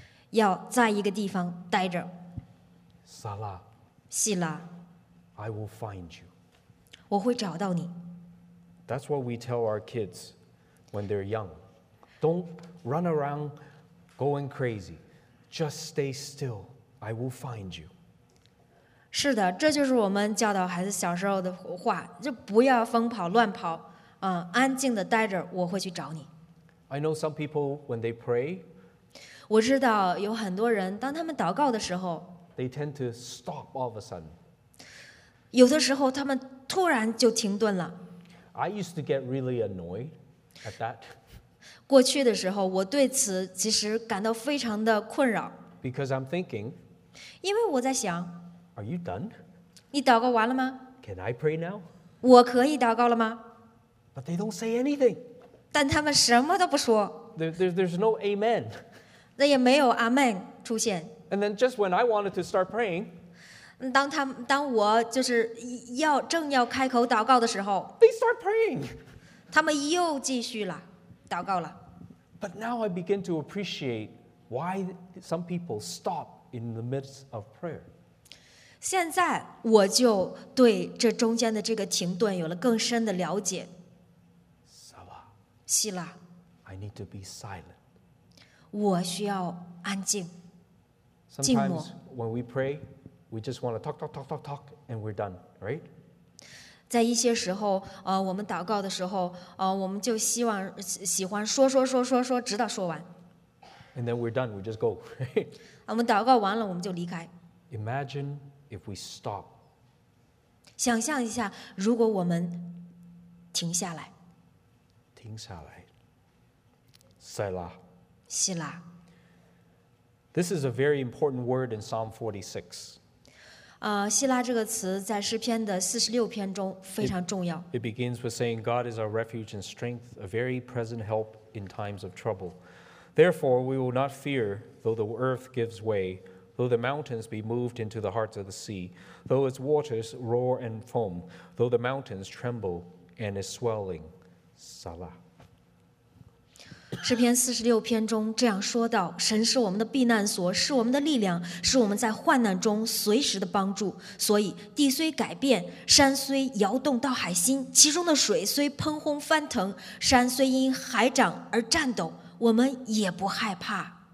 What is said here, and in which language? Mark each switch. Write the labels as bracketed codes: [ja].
[zh] 要在一个地方待着。 [en] Salah. [zh] 希拉。 [en] I will find you. [zh] 我会找到你。 [en] That's what we tell our kids when they're young. Don't run around going crazy. Just stay still. I will find you. [zh] 是的，这就是我们教导孩子小时候的话，就不要疯跑乱跑，安静地待着，我会去找你。 [en] I know some people when they pray. [zh] 我知道有很多人当他们祷告的时候， [en] they tend to stop all of a sudden. [zh] 有的时候他们突然就停顿了。 [en] I used to get really annoyed at that. [zh] 过去的时候，我对此其实感到非常的困扰。 [en] Because I'm thinking. [zh] 因为我在想， [en] Are you done? [zh] 你祷告完了吗？ [en] Can I pray now? [zh] 我可以祷告了吗？ [en] But they don't say anything. But they don't say anything. There's no amen. [zh] 那也没有 amen 出现。 [en] And then just when I wanted to start praying, [zh] 当我就是要正要开口祷告的时候 [en] ，they start praying. [zh] 他们又继续了祷告了。 [en] But now I begin to appreciate why some people stop in the midst of prayer. [zh] 现在我就对这中间的这个停顿有了更深的了解。希拉 [en] ，I need to be silent. [zh] 我需要安静。 [en] Sometimes when we pray, we just want to talk, talk, talk, talk, talk, and we're done, right? [zh] 在一些时候，我们祷告的时候，我们就希望喜欢说说说说说，直到说完。 [en] And then we're done. We just go. [zh] 我们祷告完了，我们就离开。 [en] Imagine if we stop. [zh] 想象一下，如果我们停下来。停下来，塞拉。希拉。 [en] This is a very important word in Psalm 46. [zh] 希拉这个词在诗篇的四十六篇中非常重要。 [en] It begins with saying, God is our refuge and strength, a very present help in times of trouble. Therefore, we will not fear, though the earth gives way, though the mountains be moved into the heart of the sea, though its waters roar and foam, though the mountains tremble and is swelling. Salah. [zh] 诗篇四十六篇中这样说道：神是我们的避难所，是我们的力量，是我们在患难中随时的帮助。所以地虽改变，山虽摇动到海心，其中的水虽喷轰翻腾，山虽因海涨而颤抖，我们也不害怕。